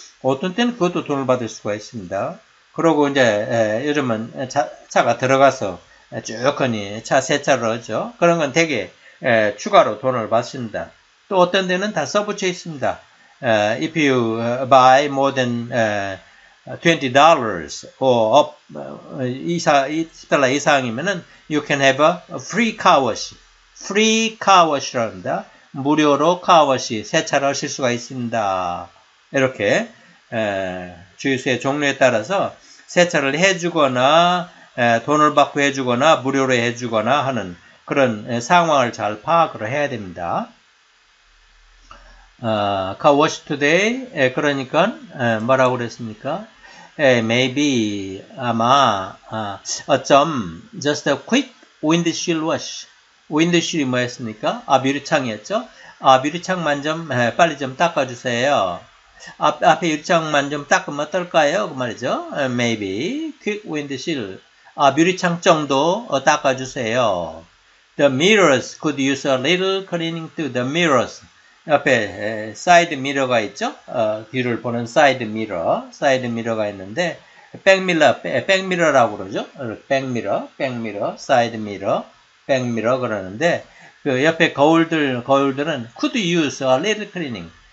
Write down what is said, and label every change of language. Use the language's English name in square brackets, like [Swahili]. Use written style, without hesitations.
[Korean] 어떤 때는 그것도 돈을 받을 수가 있습니다. 그러고 이제 요즘은 차가 들어가서 조금이 차 세차를 하죠. 그런 건 대개 추가로 돈을 받습니다. 또 어떤 데는 다 서브체이스입니다. [English] If you buy more than $20 or up [Korean] 20달러 이상이면은 [English] you can have a free car wash. Free car wash [Korean] 랍니다. 무료로 car wash 세차를 하실 수가 있습니다. 이렇게 주유소의 종류에 따라서 세차를 해주거나 돈을 받고 해주거나 무료로 해주거나 하는 그런 상황을 잘 파악을 해야 됩니다. [English] Car wash today. [Korean] 그러니까 뭐라고 그랬습니까? [English] Maybe [Korean] 아마 어쩜 [English] just a quick windshield wash. [Korean] Windshield이 뭐였습니까? 유리창이었죠. 유리창만 좀 빨리 좀 닦아주세요. 앞에 유리창만 좀 닦으면 어떨까요? 그 말이죠. [English] Maybe quick windshield. [Korean] 유리창 정도 닦아주세요. [English] The mirrors could use a little cleaning too. The mirrors. [Korean] 옆에 사이드 미러가 있죠. 뒤를 보는 사이드 미러. 사이드 미러가 있는데 백미러, 백미러라고 그러죠. 백미러, 백미러, 사이드 미러, 백미러 그러는데 그 옆에 거울들은 [English] could use a little cleaning.